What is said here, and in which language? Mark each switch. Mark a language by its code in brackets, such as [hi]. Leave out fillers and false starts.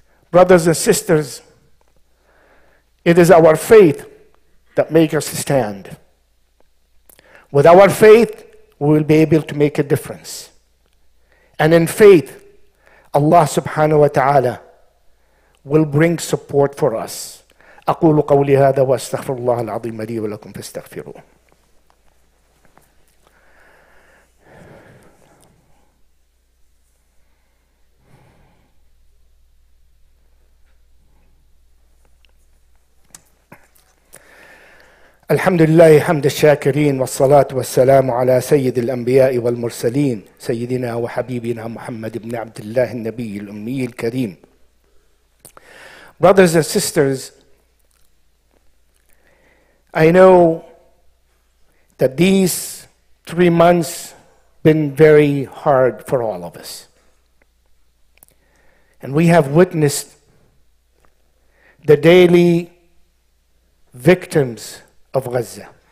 [en] Brothers and sisters, it is our faith that makes us stand. With our faith, we will be able to make a difference. And in faith, Allah subhanahu wa ta'ala will bring support for us. [ar] أقول قولي هذا واستغفر الله العظيم لي ولكم فاستغفروه. الحمد لله حمد الشاكرين والصلاة والسلام على سيد الأنبياء والمرسلين سيدنا وحبيبنا محمد بن عبد الله النبي الأمي الكريم. [en] Brothers and sisters, I know that these 3 months been very hard for all of us. And we have witnessed the daily victims of Gaza.